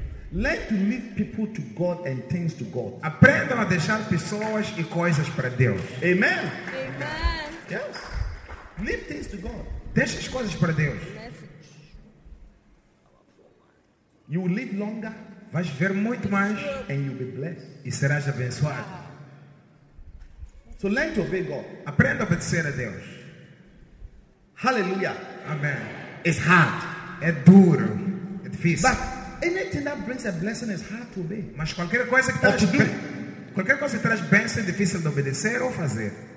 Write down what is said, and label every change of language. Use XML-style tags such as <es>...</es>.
<en>Learn to leave people to God and things to God.</en> <pt>Aprendam a deixar pessoas e coisas para Deus.</pt> <en>Amen.</en> <pt>Amen.</pt> <en>Yes. Leave things to God.</en> <pt>Deixa as coisas para Deus.</pt> <en>You will live longer,</en> <pt>vais viver muito mais,</pt> <en>and you'll be blessed.</en> <pt>E serás abençoado.</pt> <en>So learn to obey God.</en> <pt>Aprenda a obedecer a Deus.</pt> <en>Hallelujah.</en> <pt>Amen.</pt> <en>It's hard.</en> <pt>É duro. É difícil.</pt> <en>But anything that brings a blessing is hard to obey.</en> <pt>Mas qualquer coisa que traz qualquer coisa que traz bênção é difícil de obedecer ou fazer.</pt>